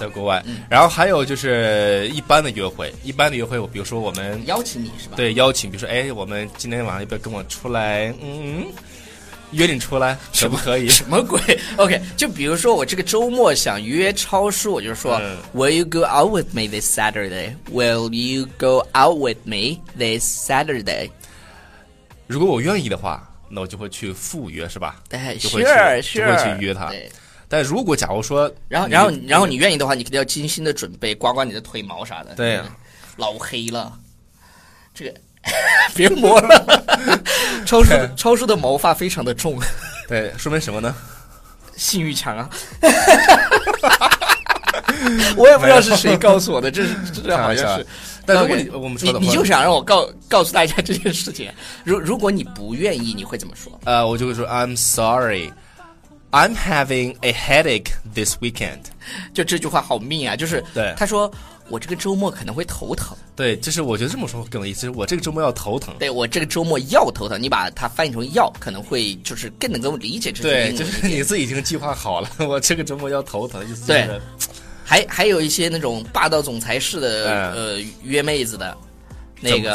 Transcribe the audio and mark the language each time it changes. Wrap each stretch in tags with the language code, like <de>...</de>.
<zh>在国外、嗯、然后还有就是一般的约会一般的约会比如说我们邀请你是吧对邀请比如说哎，我们今天晚上要不要跟我出来嗯，约你出来可不可以什么鬼</zh> <en>OK</en> <zh>就比如说我这个周末想约超叔我就说、</zh> <en>嗯、Will you go out with me this Saturday Will you go out with me this Saturday</en> <zh>如果我愿意的话那我就会去赴约是吧对就会去</zh> <en>sure, sure,</en> <zh>就会去约他但如果假如说然后你愿意的话你肯定要精心的准备刮刮你的腿毛啥的对、嗯、老黑了这个别磨了超叔的毛发非常的重对说明什么呢性欲强啊我也不知道是谁告诉我的这好像是但如果你 okay, 我们说的话你就想让我告诉大家这件事情如果你不愿意你会怎么说我就会说</zh> <en>I'm sorry I'm having a headache this weekend</en> <zh>就这句话好命啊就是对他说我这个周末可能会头疼对就是我觉得这么说更有意思我这个周末要头疼对我这个周末要头疼你把它翻译成要可能会就是更能够理解这对就是你自己已经计划好了我这个周末要头疼意思对还有一些那种霸道总裁式的、嗯、约妹子的那个</zh>